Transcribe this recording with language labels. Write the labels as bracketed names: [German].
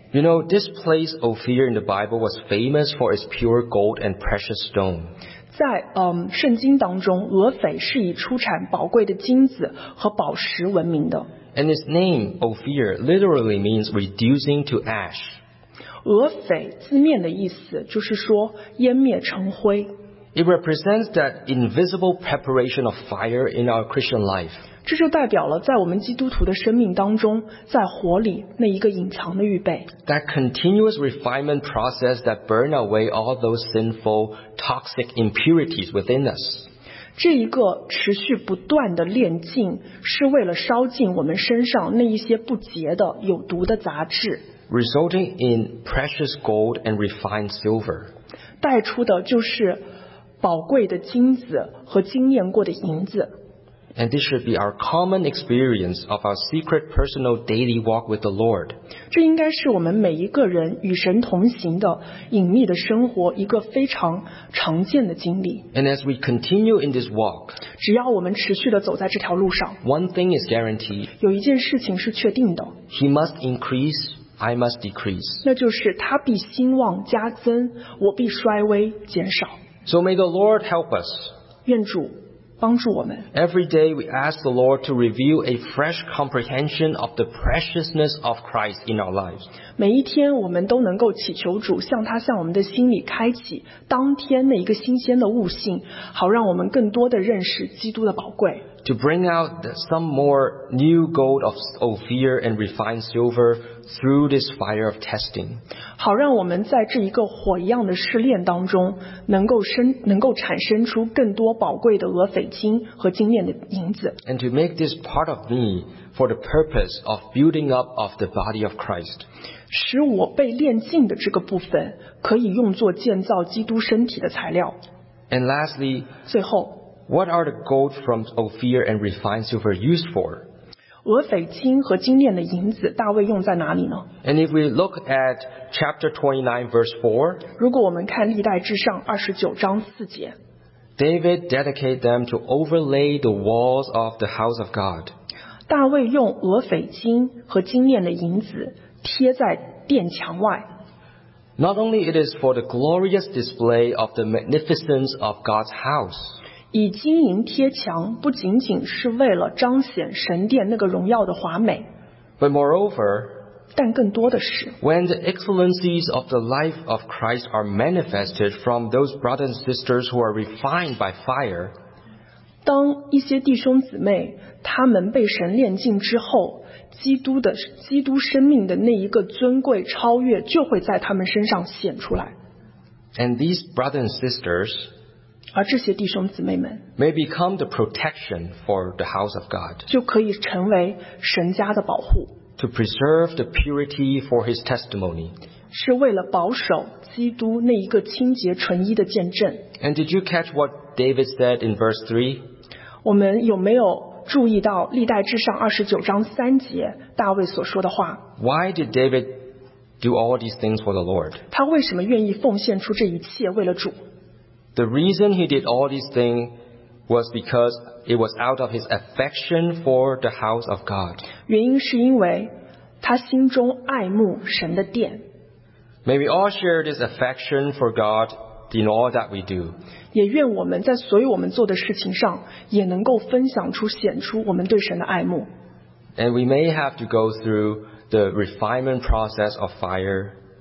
[English] You know, this place Ophir in the Bible was famous for its pure gold and precious stone. [Chinese] 在圣经当中，俄斐是以出产宝贵的金子和宝石闻名的。 [English] And its name, Ophir, literally means reducing to ash. [Chinese] 俄斐字面的意思就是说湮灭成灰。 [English] It represents that invisible preparation of fire in our Christian life. [Chinese] 这就代表了在我们基督徒的生命当中，在火里那一个隐藏的预备。 [English] That continuous refinement process that burn away all those sinful, toxic impurities within us. [Chinese] 这一个持续不断的炼净，是为了烧尽我们身上那一些不洁的、有毒的杂质。 [English] Resulting in precious gold and refined silver. [Chinese] 带出的就是宝贵的金子和经验过的银子。 [English] And this should be our common experience of our secret personal daily walk with the Lord. [Chinese] 这应该是我们每一个人与神同行的隐秘的生活一个非常常见的经历。 [English] And as we continue in this walk, [Chinese] 只要我们持续地走在这条路上， [English] one thing is guaranteed. [Chinese] 有一件事情是确定的。 [English] He must increase, I must decrease. [Chinese] 那就是他必兴旺加增，我必衰微减少。 [English] So may the Lord help us. [Chinese] 愿主帮助我们。 [English] Every day we ask the Lord to reveal a fresh comprehension of the preciousness of Christ in our lives. [Chinese] 每一天我们都能够祈求主向他向我们的心里开启当天那一个新鲜的悟性，好让我们更多的认识基督的宝贵。 [English] To bring out some more new gold of Ophir and refined silver through this fire of testing. [Chinese] 好让我们在这一个火一样的试炼当中能够产生出更多宝贵的俄斐金和精炼的银子。 [English] And to make this part of me for the purpose of building up of the body of Christ. [Chinese] 使我被炼净的这个部分可以用作建造基督身体的材料。 [English] And lastly, [Chinese] 最后， [English] What are the gold from Ophir and refined silver used for? [Chinese] 俄斐金和精炼的银子大卫用在哪里呢？ [English] And if we look at chapter 29 verse 4, [Chinese] 如果我们看历代志上29章4节， [English] David dedicated them to overlay the walls of the house of God. [Chinese] 大卫用俄斐金和精炼的银子贴在殿墙外。 [English] Not only it is for the glorious display of the magnificence of God's house, [Chinese] 以金银贴墙不仅仅是为了彰显神殿那个荣耀的华美， [English] But moreover, [Chinese] 但更多的是 [English] when the excellencies of the life of Christ are manifested from those brothers and sisters who are refined by fire, [Chinese] 当一些弟兄姊妹他们被神炼净之后，基督生命的那一个尊贵超越就会在他们身上显出来。 [English] And these brothers and sisters, [Chinese] 而这些弟兄姊妹们 [English] may become the protection for the house of God, [Chinese] 就可以成为神家的保护 [English] to preserve the purity for his testimony, [Chinese] 是为了保守基督那一个清洁纯一的见证。 [English] And did you catch what David said in verse 3? [Chinese] 我们有没有注意到历代志上29章3节大卫所说的话？ [English] Why did David do all these things for the Lord? [Chinese] 他为什么愿意奉献出这一切为了主？ [English] The reason he did all these things was because it was out of his affection for the house of God. [Chinese] 原因是因为他心中爱慕神的殿。 [English] May we all share this affection for God in all that we do. [Chinese] 也愿我们在所有我们做的事情上也能够分享出显出我们对神的爱慕。 [English] And we may have to go through the refinement process of fire.